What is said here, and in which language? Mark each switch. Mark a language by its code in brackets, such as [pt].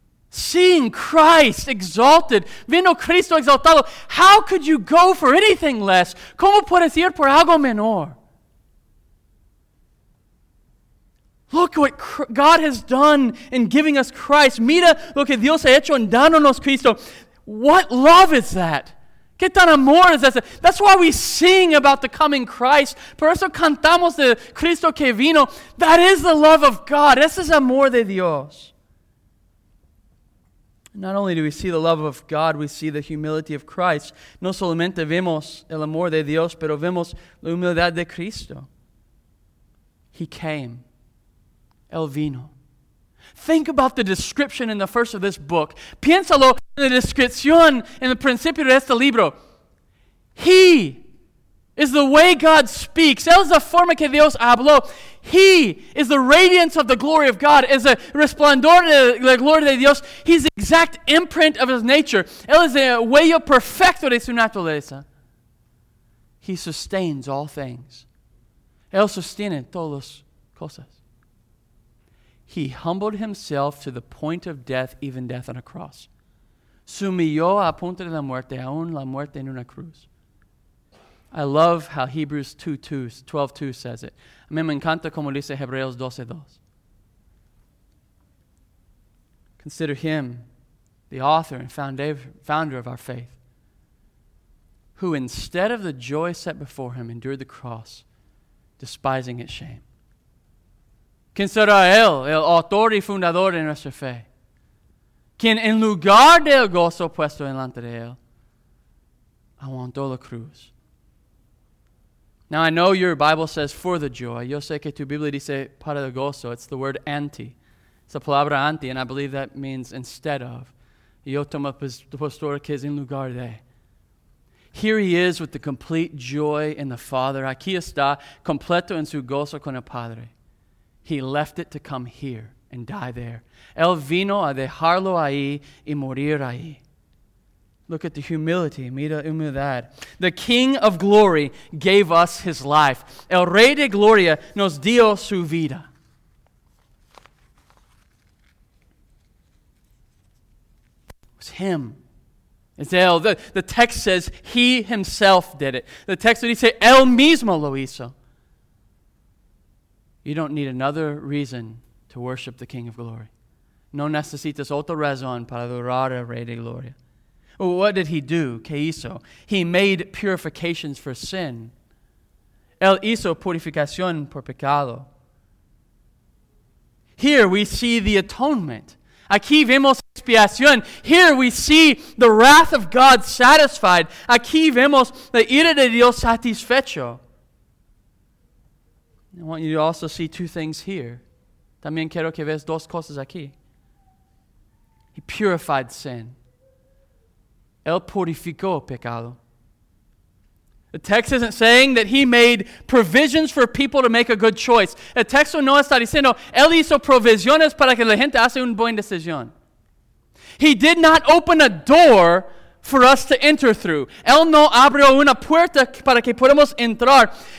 [en] Seeing Christ exalted, [es] viendo Cristo exaltado, [en] how could you go for anything less? [es] ¿Cómo puedes ir por algo menor? [en] Look what God has done in giving us Christ. [es] Mira lo que Dios ha hecho en dándonos Cristo. [en] What love is that? [es] ¿Qué tan amor es ese? [en] That's why we sing about the coming Christ. [es] Por eso cantamos de Cristo que vino. [en] That is the love of God. [es] Ese es amor de Dios. [en] Not only do we see the love of God, we see the humility of Christ. [es] No solamente vemos el amor de Dios, pero vemos la humildad de Cristo. [en] He came. [es] El vino. [en] Think about the description in the first of this book. [es] Piénsalo en la descripción en el principio de este libro. [en] He is the way God speaks. [es] Él es la forma que Dios habló. [en] He is the radiance of the glory of God. [es] Es el resplandor de la gloria de Dios. [en] He's the exact imprint of his nature. [es] Él es el huello perfecto de su naturaleza. [en] He sustains all things. [es] Él sostiene todas las cosas. [en] He humbled himself to the point of death, even death on a cross. [es] Se humilló a punto de la muerte, aún la muerte en una cruz. [en] I love how Hebrews 12:2 says it. [es] A mí me encanta como dice Hebreos 12:2. [en] Consider him the author and founder of our faith, who instead of the joy set before him endured the cross, despising its shame. [es] Considera él, el autor y fundador de nuestra fe, quien en lugar del gozo puesto delante de él, aguantó la cruz. [en] Now I know your Bible says for the joy. [es] Yo sé que tu Biblia dice para el gozo. [en] It's the word anti. It's the palabra anti, and I believe that means instead of. [es] Yo tomo la postura que es en lugar de. [en] Here he is with the complete joy in the Father. [es] Aquí está completo en su gozo con el Padre. [en] He left it to come here and die there. [es] Él vino a dejarlo ahí y morir ahí. [en] Look at the humility. [es] Mira humildad. [en] The King of Glory gave us his life. [es] El Rey de Gloria nos dio su vida. [en] It was him. It's él. The text says he himself did it. The text would say, [es] él mismo lo hizo. [en] You don't need another reason to worship the King of Glory. [es] No necesitas otra razón para adorar al Rey de Gloria. [en] What did he do? [es] ¿Qué hizo? [en] He made purifications for sin. [es] Él hizo purificación por pecado. [en] Here we see the atonement. [es] Aquí vemos expiación. [en] Here we see the wrath of God satisfied. [es] Aquí vemos la ira de Dios satisfecho. [en] I want you to also see two things here. [es] También quiero que veas dos cosas aquí. [en] He purified sin. [es] Él purificó pecado. [en] The text isn't saying that he made provisions for people to make a good choice. [es] El texto no está diciendo, él hizo provisiones para que la gente hace una buena decisión. [en] He did not open a door for us to enter through. [es] Él no abrió una puerta para que podamos entrar.